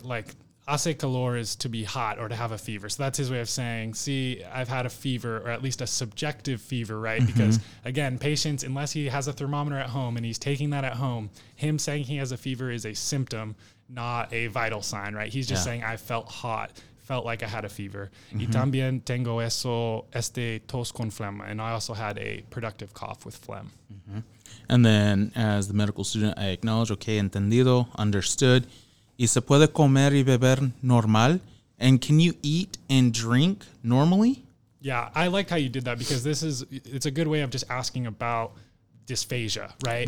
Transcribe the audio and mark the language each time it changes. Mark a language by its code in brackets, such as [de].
[en] Like, [es] hace calor [en] is to be hot or to have a fever. So that's his way of saying, sí, I've had a fever or at least a subjective fever, right? Mm-hmm. Because again, patients, unless he has a thermometer at home and he's taking that at home, him saying he has a fever is a symptom, not a vital sign, right? He's just yeah. saying, I felt hot. Felt like I had a fever. [es] Mm-hmm. Y también tengo eso, este tos con phlegm. [en] And I also had a productive cough with phlegm. Mm-hmm. And then as the medical student, I acknowledge, okay, entendido, understood. [es] ¿Y se puede comer y beber normal? [en] And can you eat and drink normally? Yeah, I like how you did that because it's a good way of just asking about dysphagia, right?